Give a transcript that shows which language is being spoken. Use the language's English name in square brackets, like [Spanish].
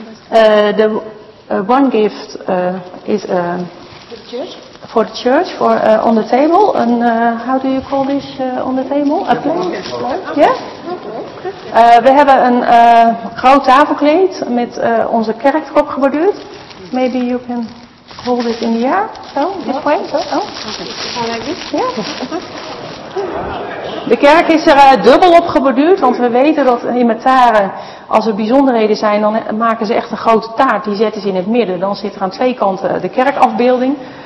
[English] One gift is for the church, for on the table, and how do you call this on the table? A plate? Yeah? [Dutch] We hebben een groot tafelkleed met onze kerk erop geborduurd. [English] Maybe you can hold it in the air, so, this way, so, oh. Okay. [Dutch] De kerk is er dubbel op geborduurd, want we weten dat in Mataren, als er bijzonderheden zijn, dan maken ze echt een grote taart. Die zetten ze in het midden, dan zit er aan twee kanten de kerkafbeelding.